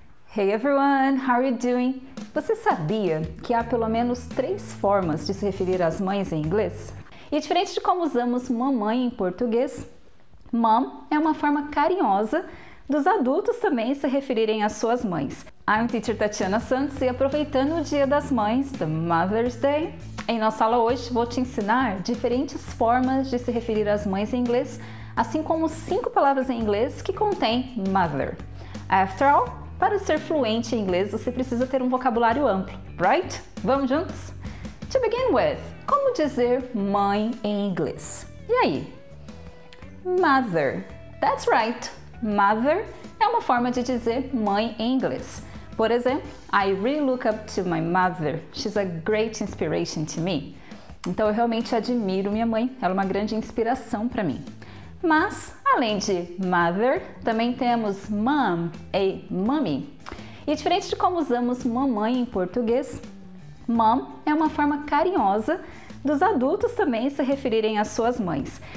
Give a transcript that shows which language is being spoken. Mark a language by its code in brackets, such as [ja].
[en] Hey everyone, how are you doing? [pt] Você sabia que há pelo menos três formas de se referir às mães em inglês? E diferente de como usamos mamãe em português, mom é uma forma carinhosa dos adultos também se referirem às suas mães. [en] I'm teacher [pt] Tatiana Santos e aproveitando o Dia das Mães, [en] the Mother's Day, [pt] em nossa aula hoje vou te ensinar diferentes formas de se referir às mães em inglês, assim como cinco palavras em inglês que contém mother. [en] After all, [pt] para ser fluente em inglês, você precisa ter um vocabulário amplo, [en] right? [pt] Vamos juntos? [en] To begin with, [pt] como dizer mãe em inglês? E aí? [en] Mother. That's right. [pt] Mother é uma forma de dizer mãe em inglês. Por exemplo, [en] I really look up to my mother. She's a great inspiration to me. [pt] Então, eu realmente admiro minha mãe. Ela é uma grande inspiração para mim. Mas, além de mother, também temos mom e mommy. E diferente de como usamos mamãe em português, mom é uma forma carinhosa dos adultos também se referirem às suas mães.